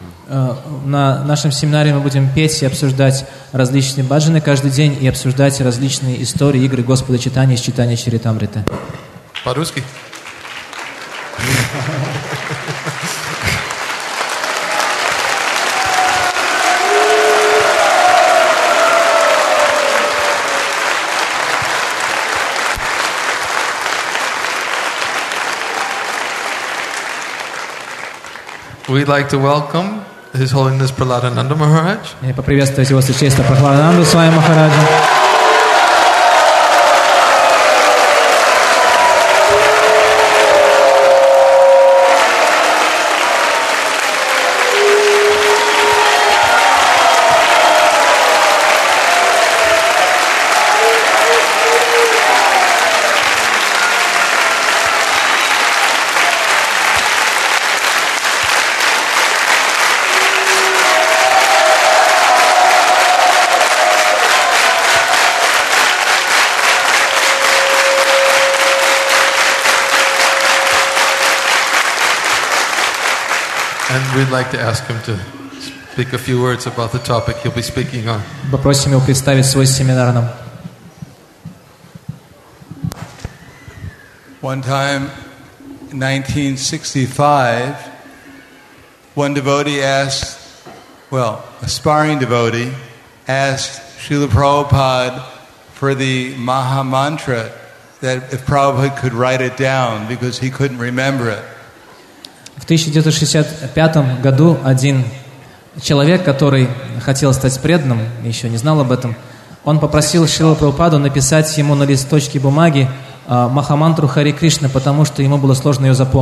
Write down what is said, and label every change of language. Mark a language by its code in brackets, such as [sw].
[ru] На нашем семинаре мы будем петь и обсуждать различные баджаны каждый день и обсуждать различные истории, игры Господа Чайтаньи из Чайтанья Чаритамриты. По-русски. [en] We'd like to welcome His Holiness Prahlada Nanda Maharaj. [ru] Я поприветствую его святейшество Прахладананду с вами Махараджа. [en] We'd like to ask him to speak a few words about the topic he'll be speaking on. [ru] Попросим его представить свой семинар нам. [en] One time in 1965, one devotee asked, well, aspiring devotee asked Srila Prabhupada for the Maha Mantra, that if Prabhupada could write it down because he couldn't remember it. [ru] В 1965 году один человек, который хотел стать преданным, еще не знал об этом, он попросил Шрилу Прабхупаду написать ему на листочке бумаги Махамантру Хари Кришны, потому что ему было сложно ее